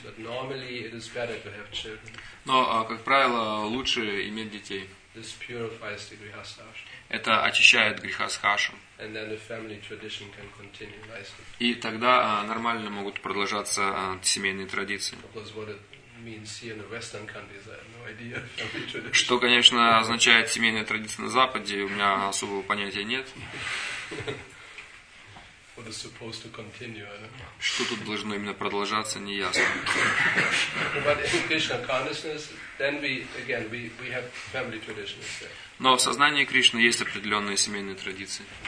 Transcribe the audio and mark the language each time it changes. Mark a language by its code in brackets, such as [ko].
[en] But normally it is better to have children. [ru] Но, как правило, лучше иметь детей. [en] This purifies the grihastha ashram. [ru] Это очищает грихасхашам. [en] And then the family tradition can continue nicely. [ru] И тогда нормально могут продолжаться семейные традиции. [en] Because what it means here in the Western countries, I have no idea. Family tradition. [ru] Что, конечно, означает семейная традиция на Западе, у меня особого понятия нет. [en] What is supposed to continue, I don't know. [ru] Что тут должно именно продолжаться, не ясно. [en] But in Krishna consciousness, then we have family traditions there. [ru] Но в сознании Кришны есть определенные семейные традиции.